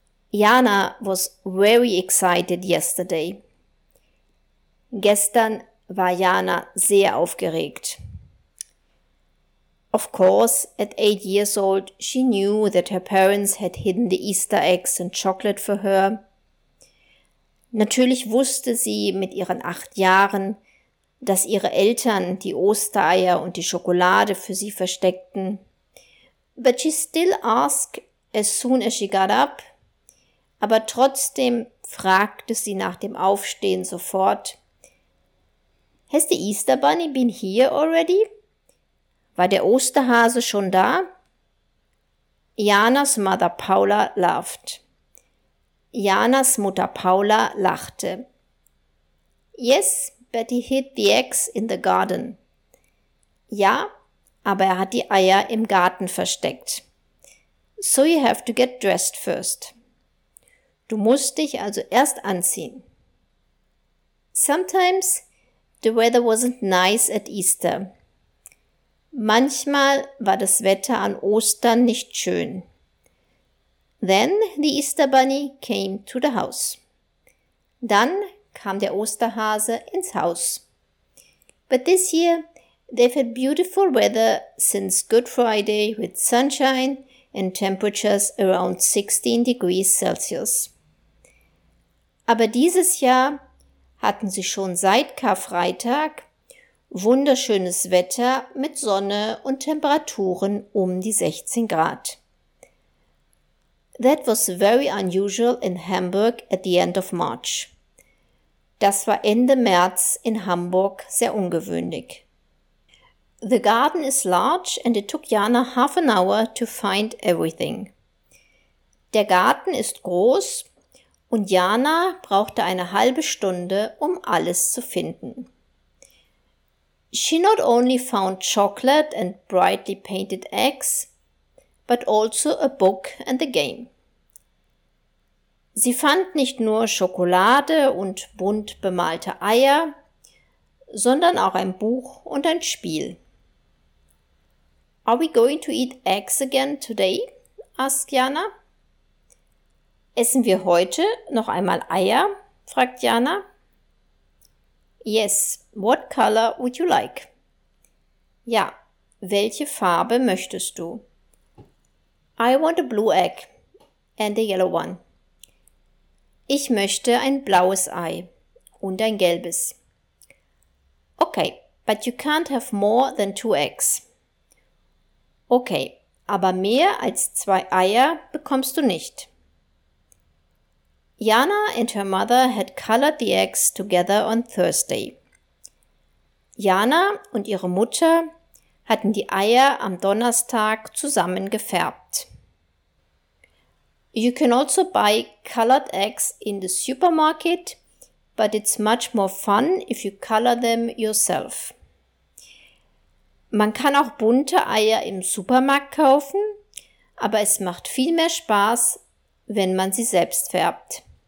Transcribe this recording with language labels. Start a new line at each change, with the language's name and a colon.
English: Jana was very excited yesterday.
German: Gestern war Jana sehr aufgeregt.
English: Of course, at 8 years old, she knew that her parents had hidden the Easter eggs and chocolate for her.
German: Natürlich wusste sie mit ihren 8 Jahren, dass ihre Eltern die Ostereier und die Schokolade für sie versteckten.
English: But she still asked as soon as she got up.
German: Aber trotzdem fragte sie nach dem Aufstehen sofort.
English: Has the Easter Bunny been here already?
German: War der Osterhase schon da?
English: Janas Mother Paula laughed.
German: Janas Mutter Paula lachte.
English: Yes, but he hid the eggs in the garden.
German: Ja, aber er hat die Eier im Garten versteckt.
English: So you have to get dressed first.
German: Du musst dich also erst anziehen.
English: Sometimes the weather wasn't nice at Easter.
German: Manchmal war das Wetter an Ostern nicht schön.
English: Then the Easter Bunny came to the house.
German: Dann kam der Osterhase ins Haus.
English: But this year they've had beautiful weather since Good Friday with sunshine and temperatures around 16 degrees Celsius.
German: Aber dieses Jahr hatten sie schon seit Karfreitag wunderschönes Wetter mit Sonne und Temperaturen um die 16 Grad.
English: That was very unusual in Hamburg at the end of March.
German: Das war Ende März in Hamburg sehr ungewöhnlich.
English: The garden is large and it took Jana half an hour to find everything.
German: Der Garten ist groß und Jana brauchte eine halbe Stunde, um alles zu finden.
English: She not only found chocolate and brightly painted eggs, but also a book and a game.
German: Sie fand nicht nur Schokolade und bunt bemalte Eier, sondern auch ein Buch und ein Spiel.
English: Are we going to eat eggs again today? Asked Jana.
German: Essen wir heute noch einmal Eier? Fragt Jana.
English: Yes, what color would you like?
German: Ja, welche Farbe möchtest du?
English: I want a blue egg and a yellow one.
German: Ich möchte ein blaues Ei und ein gelbes.
English: Okay, but you can't have more than 2 eggs.
German: Okay, aber mehr als 2 Eier bekommst du nicht.
English: Jana and her mother had colored the eggs together on Thursday.
German: Jana und ihre Mutter hatten die Eier am Donnerstag zusammen gefärbt.
English: You can also buy colored eggs in the supermarket, but it's much more fun if you color them yourself.
German: Man kann auch bunte Eier im Supermarkt kaufen, aber es macht viel mehr Spaß, wenn man sie selbst färbt.